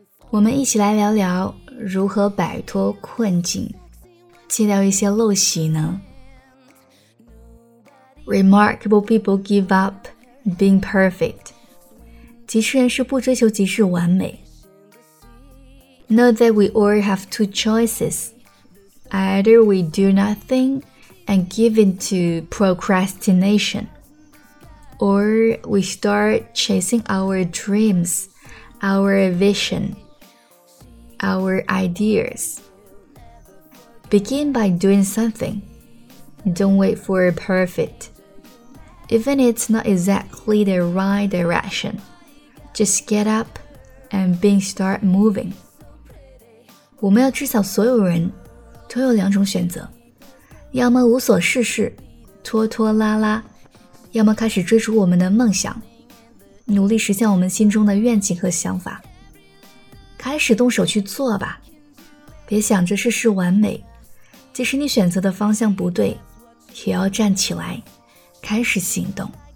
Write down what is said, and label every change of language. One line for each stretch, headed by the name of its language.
Chinese: 我们一起来聊聊如何摆脱困境，戒掉一些陋习呢？
English: Remarkable people give up being perfect.
Chinese: 极致人士不追求极致完美。
English: Know that we all have two choices. Either we do nothing and give in to procrastination, or we start chasing our dreams, our vision, our ideas. Begin by doing something. Don't wait for a perfect. Even if it's not exactly the right direction, just get up and start moving.
Chinese: 我们要知晓所有人都有两种选择，要么无所事事，拖拖拉拉，要么开始追逐我们的梦想，努力实现我们心中的愿景和想法。开始动手去做吧，别想着事事完美，即使你选择的方向不对，也要站起来，开始行动。